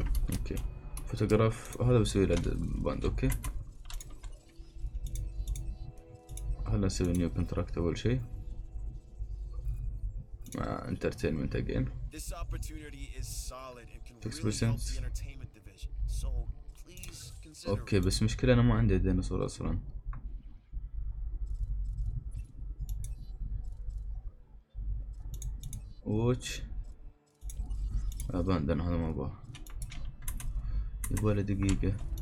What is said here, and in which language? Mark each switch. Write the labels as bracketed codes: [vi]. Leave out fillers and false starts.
[ar] اوكي فوتوغراف هذا بسوي له باند. اوكي هلا نسوي نيو كونتراكت اول شيء مع انترتينمنت اجين. [en] This opportunity is solid and can really help the entertainment division. So please consider. [ar] اوكي بس مشكلة انا ما عندي ديناصور اصلا. اوتش باند انا هذا ما ابغاه. يبغالي دقيقة.